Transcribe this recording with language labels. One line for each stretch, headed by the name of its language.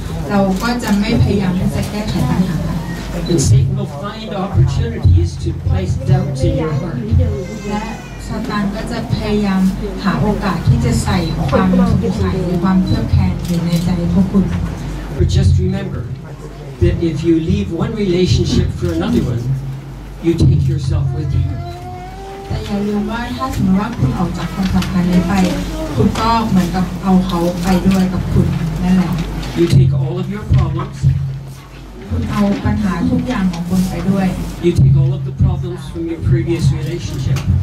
Thai: เราก็จะไม่พยายามที่จะแก้ไขปัญหา
English: And Satan will find opportunities to place doubts in your heart.
Thai: และซาตานก็จะพยายามหาโอกาสที่จะใส่ความสงสัยหรือความเครือบแคลงอยู่ในใจพวกคุณ
English: But just remember that if you leave one relationship for another one, you take yourself with you.
Thai: แต่อย่าลืมว่าถ้าสมมติว่าคุณออกจากความสัมพันธ์นี้ไปคุณก็เหมือนกับเอาเขาไปด้วยกับคุณนั่นแหละ
English: You take all of your problems. You take all of the problems from your previous relationship.